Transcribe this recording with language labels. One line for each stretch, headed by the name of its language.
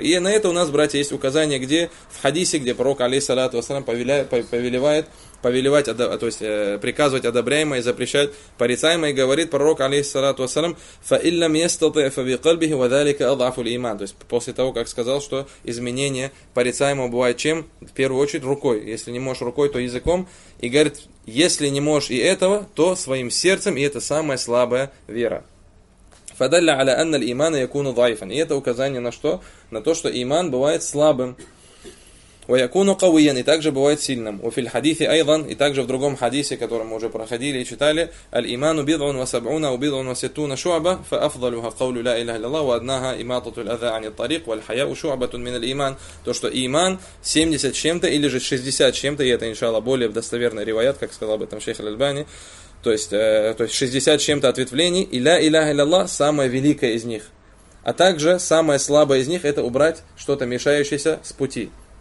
Russian: И на это у нас, братья, есть указание, где в хадисе, где пророк, алейхиссалату вассалям, повелевает, то есть приказывать одобряемое и запрещать порицаемое, и говорит пророк, алейхиссалату вассалям,
Arabic: фа иллам йастати фа би кальбихи ва залика адъафу аль-иман.
Russian: То есть после того, как сказал, что изменение порицаемого бывает чем? В первую очередь рукой. Если не можешь рукой, то языком. И говорит, если не можешь и этого, то своим сердцем, и это самая слабая вера.
Arabic: فدل على ان الايمان يكون ضعيفا.
Russian: И это указание на что? На то, что иман бывает слабым.
Arabic: ويكون قويا,
Russian: и также бывает сильным.
Arabic: وفي الحديث ايضا,
Russian: и также в другом хадисе, который мы уже проходили и читали,
Arabic: الايمان بضع وسبعون او بضع وستون شعبه فافضلها قول لا اله الا الله وادناها اماطه الاذى عن الطريق والحياء شعبه من الايمان.
Russian: То что иман 70 с чем-то или же 60 с чем-то, и это иншаллах более достоверный риваят, как сказал об этом шейх аль-Альбани. То есть 60 с чем-то ответвлений, и ля иляха илляллах самое великое из них. А также самое слабое из них — это убрать что-то мешающееся с пути.